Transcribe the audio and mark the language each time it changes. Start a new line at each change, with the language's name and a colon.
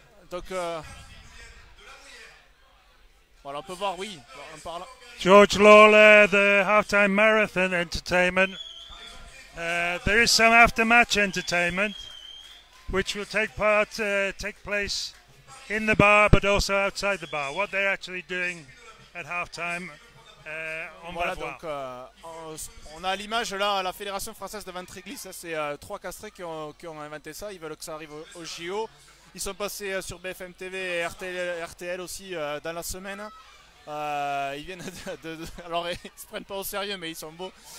French: Donc, voilà, on peut voir, oui, en parlant.
English: George Lawler, the halftime marathon entertainment. There is some after-match entertainment, which will take place. In the bar, but also outside the bar. What they're actually doing at halftime, on
French: voilà, va voir. Donc, on a l'image là, la Fédération Française de Ventre-Église. Ça, c'est trois castrés qui ont inventé ça. Ils veulent que ça arrive au JO. Ils sont passés sur BFM TV et RTL aussi dans la semaine. Ils viennent alors, ils ne se prennent pas au sérieux, mais ils sont beaux.